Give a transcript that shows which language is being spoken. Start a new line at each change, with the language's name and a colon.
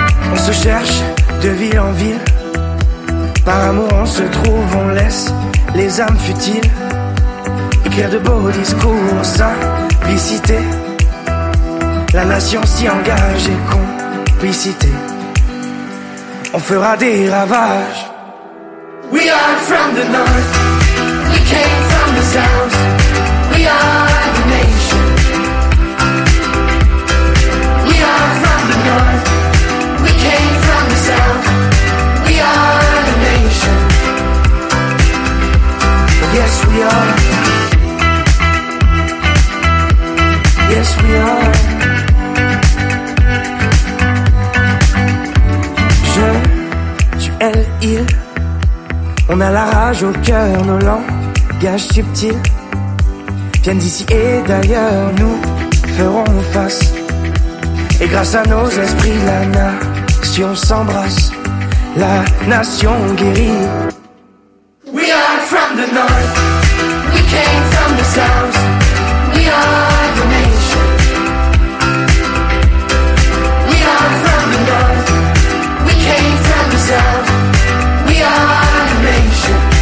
French: On cherche de ville en ville. Par amour on se trouve, on laisse les âmes futiles écrire de beaux discours, simplicité. La nation s'y engage et complicité. On fera des ravages.
English: We are from the north, we came from the south, we are the nation. We are from the north, came from the south, we are the nation. Yes, we are. Yes, we are.
French: Je, tu, elle, il. On a la rage au cœur, nos langages subtils viennent d'ici et d'ailleurs. Nous ferons face et grâce à nos esprits, l'ANA. Si on s'embrasse, la nation guérit.
English: We are from the north, we came from the south, we are the nation. We are from the north, we came from the south, we are the nation.